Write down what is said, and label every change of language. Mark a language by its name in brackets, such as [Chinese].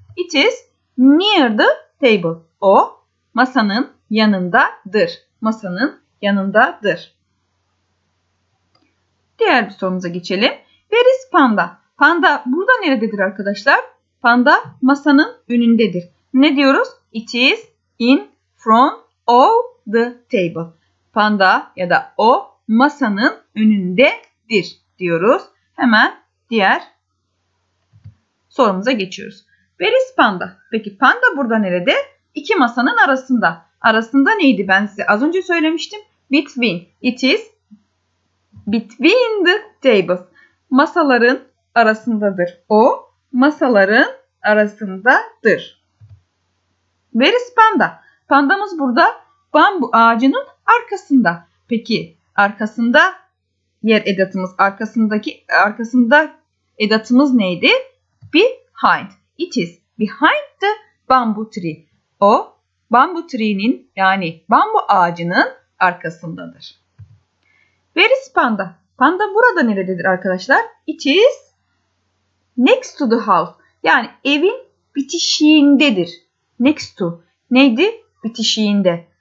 [English] It is near the table. [Turkish] O masanın yanındadır. Masanın yanındadır. Diğer bir sorumuza geçelim. [English] Where is panda? [Turkish] Panda burada nerededir arkadaşlar? Panda masanın önündedir. Ne diyoruz? [English] It is in front of the table. [Turkish] Panda ya da o masanın önündedir diyoruz. Hemen diğer sorumuza geçiyoruz. [English] Where is panda? [Turkish] Peki panda burada nerede? İki masanın arasında. Arasında neydi? Ben size az önce söylemiştim. [English] Between. It is between the tables. [Turkish] Masaların arasındadır. O masaların arasındadır. [English] Where is panda? [Turkish] Pandamız burada bambu ağacının arkasında. Peki arkasında yer edatımız, arkasında edatımız neydi? [English] Behind. It is behind the bamboo tree. [Turkish] O bamboo tree'nin, yani bambu ağacının arkasındadır. [English] Where is panda? [Turkish] Panda burada nerededir arkadaşlar? [English] It is next to the house. [Turkish] Yani evin bitişiğindedir. Next to. Neydi? Bitişiğinde.